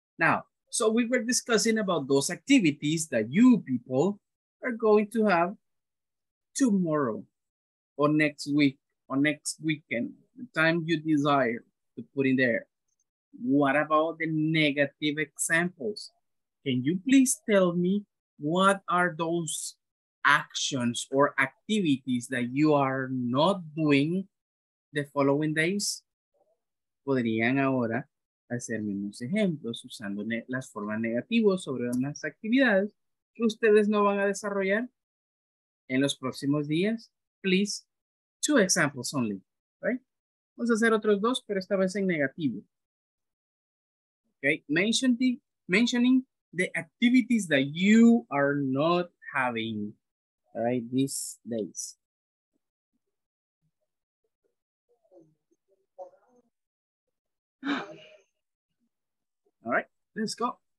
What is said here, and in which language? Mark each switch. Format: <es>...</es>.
<en>Now, so we were discussing about those activities that you people are going to have tomorrow or next week or next weekend, the time you desire to put in there. What about the negative examples? Can you please tell me what are those actions or activities that you are not doing the following days?</en> <es>¿Podrían ahora hacerme unos ejemplos usando las formas negativas sobre unas actividades que ustedes no van a desarrollar en los próximos días?</es> <en>Please, two examples only, right?</en> <es>Vamos a hacer otros dos, pero esta vez en negativo.</es> <en>Okay, mentioning the activities that you are not having. All right, these days. All right, let's go.</en>